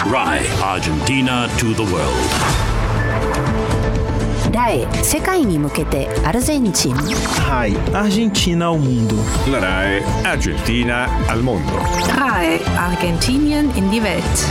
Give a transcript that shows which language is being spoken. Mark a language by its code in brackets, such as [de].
[en] RAI, Argentina to the world. [ja] RAE, 世界に向けてアルゼンチン。 [es] RAE, Argentina al mundo. RAE, Argentina al mundo. [en] RAE, Argentinian in the world.